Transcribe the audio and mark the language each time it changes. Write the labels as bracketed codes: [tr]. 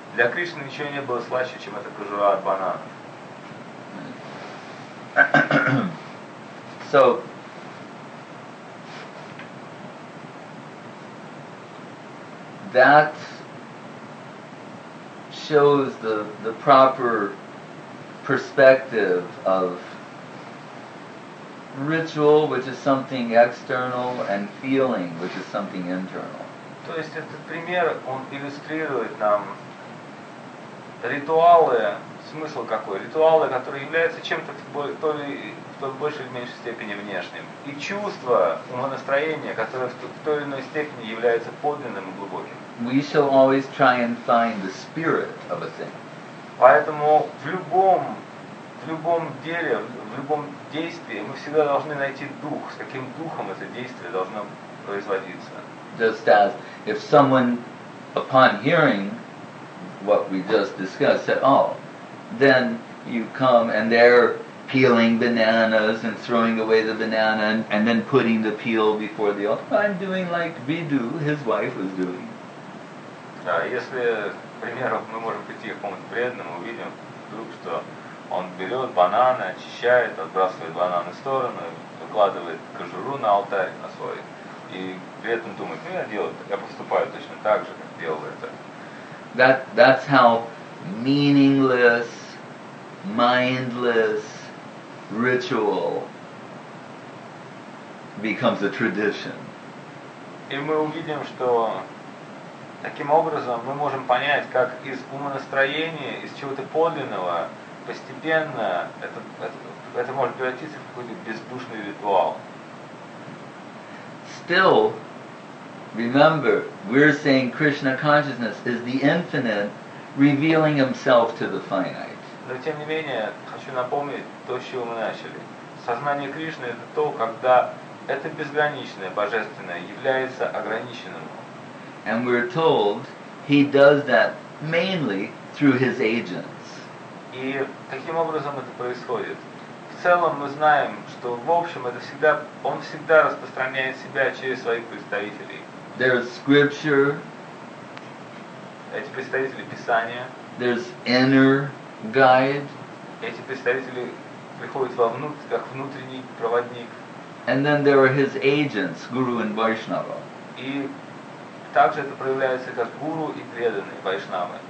[ru] Для Кришны ничего не было слаще, чем эта кожура от банана. [en] So, that shows the proper perspective of ritual, which is something external, and feeling, which is something internal. [ru] То есть этот пример, он иллюстрирует нам ритуалы, смысл какой? Ритуалы, которые являются чем-то в той большей или меньшей степени внешним. И чувство, умонастроение, которое в той или иной степени является подлинным и глубоким. [en] We shall always try and find the spirit of a thing. [ru] Поэтому в любом деле, в любом действии мы всегда должны найти дух, с каким духом это действие должно производиться. [en] Just as if someone, upon hearing what we just discussed, said, oh, then you come and they're peeling bananas and throwing away the banana and then putting the peel before the altar. I'm doing like Vidu, his wife was doing. [ru] Да, если, к примеру, мы можем прийти к какому-то преданному, увидим вдруг, что он берет бананы, очищает, отбрасывает бананы в сторону, выкладывает кожуру на алтарь, на свой, и при этом думает, ну я поступаю точно так же, как делал это. [en] That's how meaningless, mindless ritual becomes a tradition. [ru] И мы увидим, что таким образом мы можем понять, как из умонастроения, из чего-то подлинного, постепенно это может превратиться в какой-то бездушный ритуал. [en] Still, remember, we're saying Krishna consciousness is the infinite revealing himself to the finite. [ru] Но тем не менее, хочу напомнить то, с чего мы начали. Сознание Кришны — это то, когда это безграничное, божественное является ограниченным. [en] And we're told he does that mainly through his agents. [ru] И каким образом это происходит? В целом мы знаем, что в общем это всегда, он всегда распространяет себя через своих представителей. [en] There's scripture. [ru] Эти представители Писания. [en] There's inner guide. [ru] Эти представители приходят вовнутрь, как внутренний проводник. [en] And then there are his agents, Guru and Vaishnava. [ru] И также это проявляется как гуру и преданные, вайшнавы.